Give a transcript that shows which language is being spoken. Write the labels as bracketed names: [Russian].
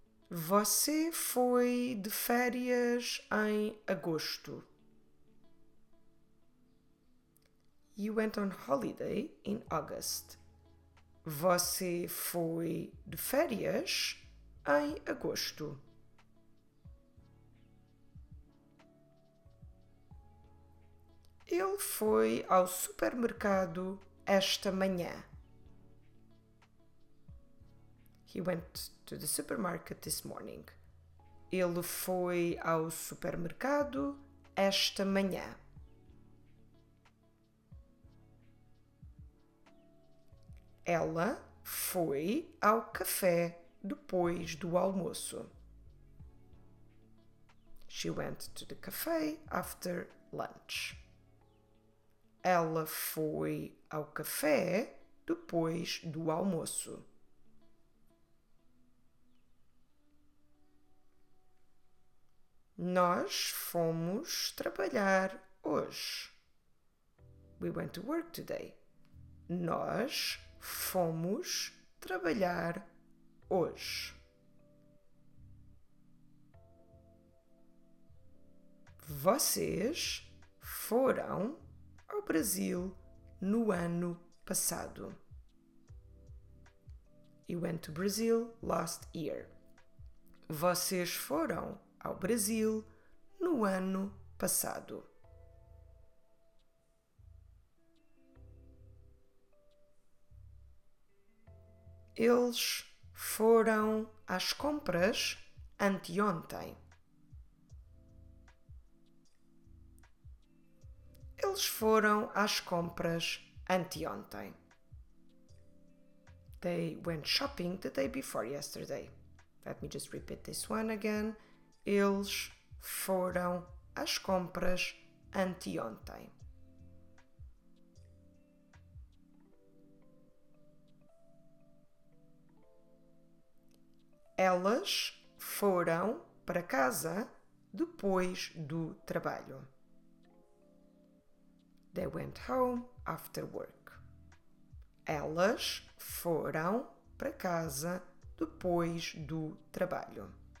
[Portuguese] Você foi de férias em agosto. [English] You went on holiday in August. [Portuguese] Você foi de férias em agosto. Ele foi ao supermercado esta manhã. [English] He went to the supermarket this morning. [Portuguese] Ele foi ao supermercado esta manhã. Ela foi ao café depois do almoço. [English] She went to the cafe after lunch. [Portuguese] Ela foi ao café depois do almoço. Nós fomos trabalhar hoje. [English] We went to work today. [Portuguese] Nós fomos trabalhar hoje. Vocês foram ao Brasil no ano passado. [English] You went to Brazil last year. [Portuguese] Vocês foram ao Brasil no ano passado. Eles foram às compras anteontem. Eles foram às compras anteontem. [English] They went shopping the day before yesterday. Let me just repeat this one again. [Portuguese] Eles foram às compras anteontem. Elas foram para casa depois do trabalho. [English] They went home after work. [Portuguese] Elas foram para casa depois do trabalho.